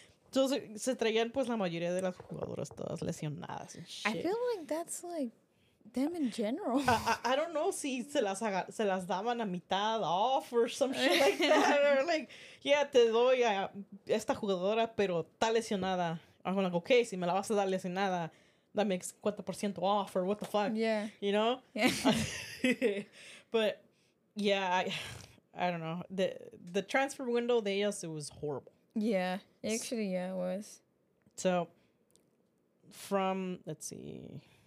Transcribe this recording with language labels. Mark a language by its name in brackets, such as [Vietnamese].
[Spanish] Entonces, se traían pues la mayoría de las jugadoras todas lesionadas. [English] I feel like that's like them in general. I don't know [Spanish] si se las daban a mitad [English] off or some shit like that. Or like, yeah, [Spanish] te doy a esta jugadora, pero está lesionada. [English] I'm like, okay, [Spanish] si me la vas a dar lesionada, [English] that makes 50% off or what the fuck. Yeah. You know? Yeah. But yeah, I don't know. The transfer window, [Spanish] de ellas, [English] it was horrible. Yeah. Actually, yeah, it was. So from, let's see.